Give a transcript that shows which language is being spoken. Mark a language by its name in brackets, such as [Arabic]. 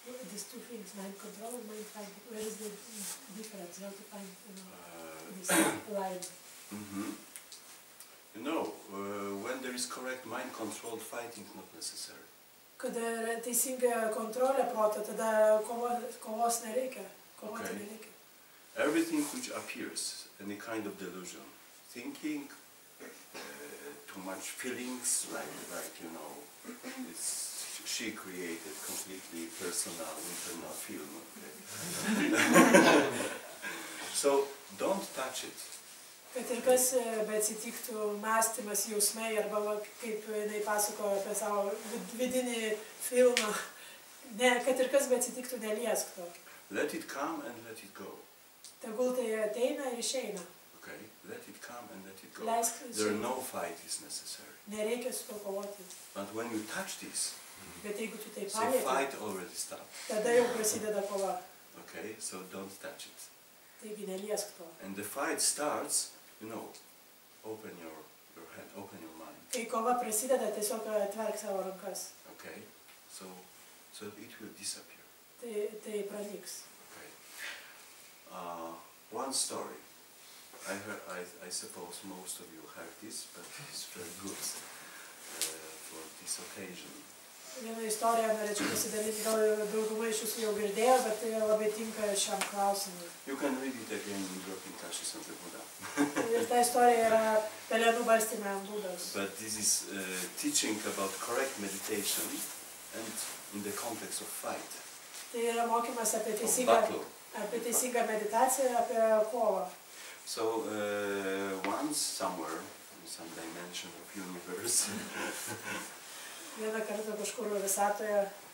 [English] These two things, mind control and mind fighting. Where is the difference? How to find this line? You know, when there is correct mind controlled fighting, not necessary. [Lithuanian] Kada yra teisinga kontrolė proto, tada kovos nereikia. [English] Everything which appears, any kind of delusion, thinking, too much feelings, like you know, it's, she created completely personal internal film. So don't touch it. [Lithuanian] Kad ir kas beatsitiktų mąstymas, jausmai, arba kaip jinai pasakojo apie savo vidinį filmą, ne, kad ir kas beatsitiktų, neliesk to. [English] Let it come and let it go. [Lithuanian] Tegul tai ateina ir išeina. [English] Okay, let it come and let it go. [Lithuanian] Leisk, [English] there are no fight is necessary. [Lithuanian] Nereikia su to kovoti. [English] But when you touch this, [Lithuanian] bet jeigu tu tai palieti, [English] so fight already starts. [Lithuanian] Tada jau prasideda kova. [English] Okay, so don't touch it. [Lithuanian] Taigi, neliesk to. [English] And the fight starts, you know, open your head, open your mind. [Lithuanian] Kai kova prasideda, tiesiog atverk savo rankas. [English] Okay, so it will disappear. [Lithuanian] Tai praliks. [English] One story. I suppose most of you heard this, but it's very good for this occasion. [Lithuanian] Viena istorija, norėčiau pasidalyti, gal dauguma iš jūsų jau girdėjo, bet tai labai tinka šiam klausimui. [English] You can read it again in Dropping Caches of the Buddha. [Lithuanian] Ir ta istorija yra pelenų barstyme ant Budos. [English] But this is teaching about correct meditation and in the context of fight. [Lithuanian] Tai yra mokymas apie teisybę. Apie teisingą meditaciją, apie kovą. [English] So, once somewhere, in some dimension of universe, [Lithuanian] vieną kartą kažkur visatoje,